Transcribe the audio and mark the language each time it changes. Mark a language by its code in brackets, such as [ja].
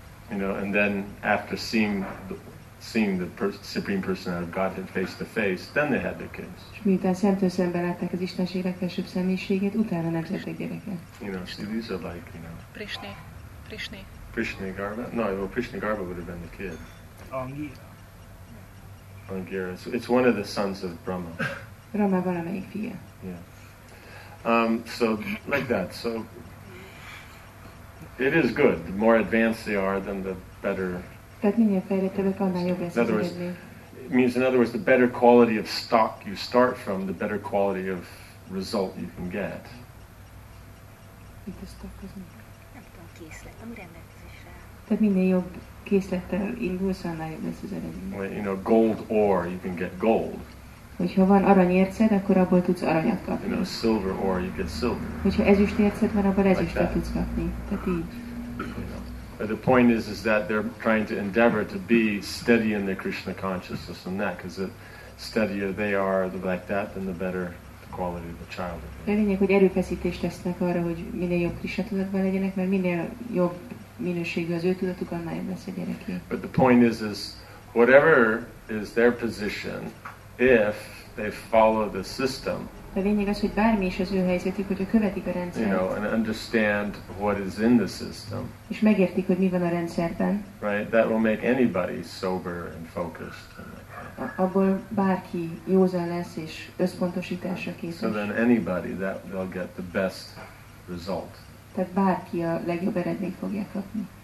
[en] You know, and then after seeing the Supreme Personality of Godhead face to face, then they had their kids. [hu] Miután szemtől szembe látták az Istenség legfelsőbb személyiséget, utána nemzettek gyereket. [en] You know, see, these are like, you know... Prishni Garba? No, well, Prishni Garba would have been the kid. Angira. It's one of the sons of Brahma. [hu] Brahma valamelyik fia. [en] Yeah. So, like that. So, it is good. The more advanced they are, then the better... [hu] Tehát minél fejlettebbek, annál jobb lesz az eredmény. [en] Means, in other words, the better quality of stock you start from, the better quality of result you can get. [hu] Itt a stock az mi? Nem tudom, készletem, rendelkezésre. Tehát minél jobb készlettel indulsz, annál jobb lesz az eredmény. [en] You know, gold ore, you can get gold. [hu] Hogyha van aranyérced, akkor abból tudsz aranyat kapni. [en] You know, silver ore, you get silver. [hu] Hogyha ezüstérced van, abból ezüstet tudsz kapni. Tehát így. [en] The point is that they're trying to endeavor to be steady in their Krishna consciousness and that, because the steadier they are, the like that, then the better the quality of the child. [hu] A lényeg, hogy erőfeszítést tesznek arra, hogy minél jobb Krishna tudatban legyenek, mert minél jobb minőségű az ő tudatuk, annál jobb lesz a gyereké. [en] But the point is whatever is their position, if they follow the system, [hu] a lényeg az, hogy bármi is az ő helyzetük, hogyha követik a rendszert. [en] You know, and understand what is in the system. [hu] És megértik, hogy mi van a rendszerben. [en] Right, that will make anybody sober and focused. [hu] Abból bárki józan lesz és összpontosításra készül. [en] So then anybody, that they'll get the best result. [hu] Tehát bárki a legjobb eredményt fogja kapni.